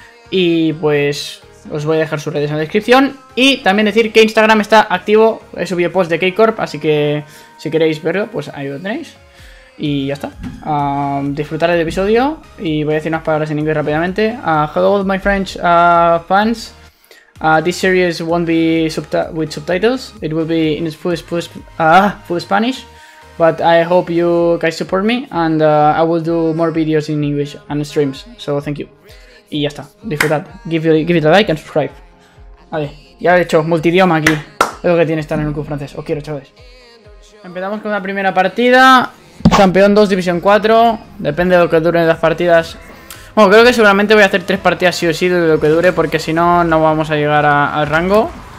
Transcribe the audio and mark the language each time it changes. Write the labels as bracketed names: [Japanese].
[Spanish] Y pues os voy a dejar sus redes en la descripción. Y también decir que Instagram está activo. He subido post de K-Corp, así que si queréis verlo, pues ahí lo tenéis. Y ya está. Disfrutar del episodio. Y voy a decir unas palabras en inglés rápidamente. [English] Hello, my French fans. This series won't be subti with subtitles. It will be in full Spanish. But I hope you guys support me and I will do more videos in English and streams. So thank you. [Spanish] Y ya está. Disfrutad. [English] Give it a like and subscribe. [Spanish] Vale. Ya he hecho multidioma aquí. Es lo que tiene estar en un club francés. Os quiero, chavales. Empezamos con la primera partida. Campeón 2, División 4. Depende de lo que duren las partidas. Bueno, creo que seguramente voy a hacer tres partidas sí o sí de lo que dure, porque si no, no vamos a llegar al rango.